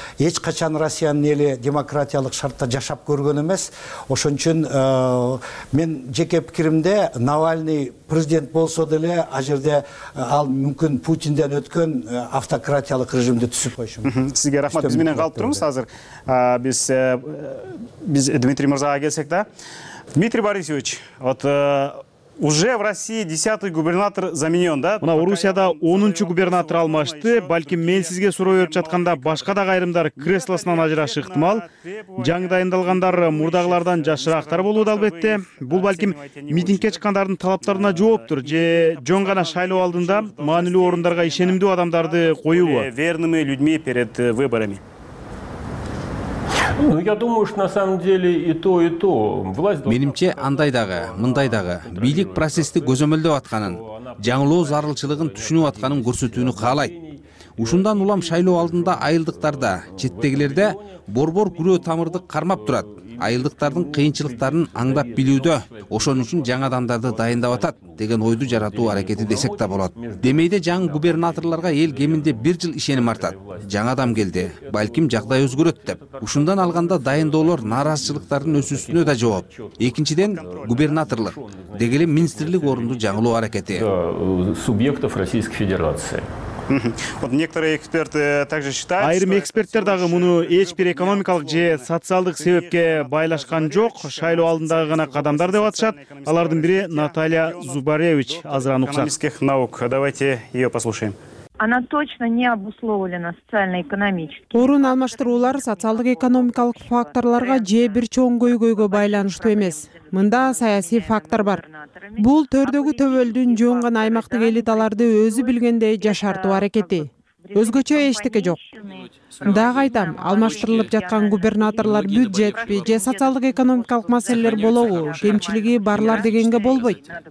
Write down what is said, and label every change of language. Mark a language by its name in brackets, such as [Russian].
[Kyrgyz] Эч качан Россиянын эли демократиялык шартта жашап көргөн эмес. Ошон үчүн мен жеке пикиримде Навальный президент болсо деле ал жерде ал мүмкүн Путинден өткөн автократиялык режимди түзүп койшу мүмкүн. Сизге рахмат. Биз менен калып турабыз азыр. Биз Дмитрий Мырзага келсек да. Дмитрий Борисович, вот [Russian] Уже в России 10-й губернатор заменен, да? [Kyrgyz] Мына Орусияда 10-нчу губернатор алмашты. Балким мен сизге суроо берип жатканда башка да кайрымдар креслосунан ажыраш ыктымал. Жаңы дайындалгандар мурдагылардан жашыраактар болууда албетте. Бул балким митингке чыккандардын талаптарына жооптур же жөн гана шайлоо алдында маанилүү орундарга ишенимдүү адамдарды коюубу? [Russian] Верными людьми перед выборами. Я думаю, что на самом деле и то, и то. [Kyrgyz] Менимче андай дагы, мындай дагы, бийлик процессти көзөмөлдөп атканын, жаңылоо зарылчылыгын түшүнүп атканын көрсөтүүнү каалайт. Ушундан улам шайлоо алдында айылдыктарда, четтегилерде борбор күрөө тамырды кармап турат. Айылдыктардын кыйынчылыктарын аңдап билүүдө, ошон үчүн жаңы адамдарды дайындап атат деген ойду жаратуу аракети десек да болот. Демейде жаңы губернаторлорго эл кеминде бир жыл ишеним артат. Жаңы адам келди, балким жагдай өзгөрөт деп. Ушундан алганда дайындоолор нааразычылыктардын өсүүсүнө да жооп. Экинчиден губернаторлор деги эле министрлик орунду жаңылоо аракети. [Russian] Субъектов Российской Федерации. Вот некоторые эксперты также считают, [Kyrgyz] айрым эксперттер дагы муну эч бир экономикалык же социалдык себепке байлашкан жок, шайлоо алдындагы гана кадамдар деп атышат. Алардын бири Наталья Зубаревич азыран уксак. [Russian] Экономических наук. Давайте её послушаем. Она точно не обусловлена социально-экономически. [Kyrgyz] Орун алмаштыруулар социалдык экономикалык факторлорго же бир чоң көйгөйгө байланыштуу эмес. Мында саясий фактор бар. Бул төрдөгү төбөлдүн жөн гана аймактык элиталарды өзү билгендей жашартуу аракети. Өзгөчө эчтеке жок. Дагы айтам, алмаштырылып жаткан губернаторлор бюджетпи же социалдык экономикалык маселелер болобу, кемчилиги барлар дегенге болбойт.